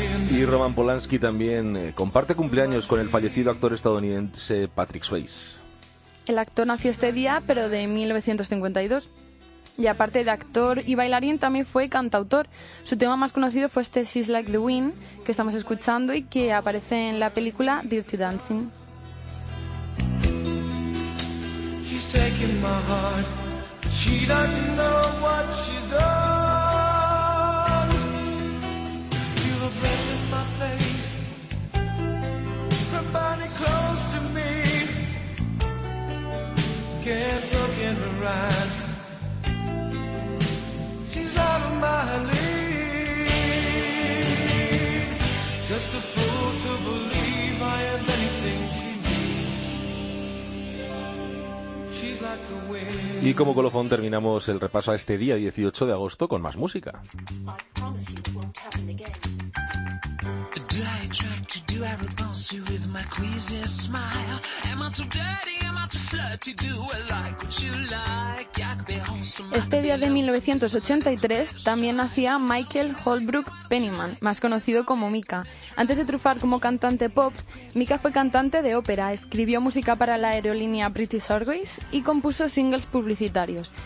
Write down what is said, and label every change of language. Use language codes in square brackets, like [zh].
[es] Y Roman Polanski también comparte cumpleaños con el fallecido actor estadounidense Patrick Swayze. El actor nació este día, pero de 1952. Y aparte de actor y bailarín, también fue cantautor. Su tema más conocido fue este She's Like the Wind, que estamos escuchando y que aparece en la película Dirty Dancing. [en] She's taking my heart, but she doesn't know what she's done. Can't look in the eyes. She's out of my league. Just a fool to believe I have anything she needs. She's like the wind. [es] Y como colofón terminamos el repaso a este día 18 de agosto con más música. [en] Do I attract you? Do I repulse you with my queasy smile? Am I too dirty? Am I too flirty? Do I like what you like? Yeah, I could be awesome. [es] Este día de 1983 también nacía Michael Holbrook Pennyman, más conocido como Mika. Antes de triunfar como cantante pop, Mika fue cantante de ópera, escribió música para la aerolínea British Airways y compuso singles publicitarios.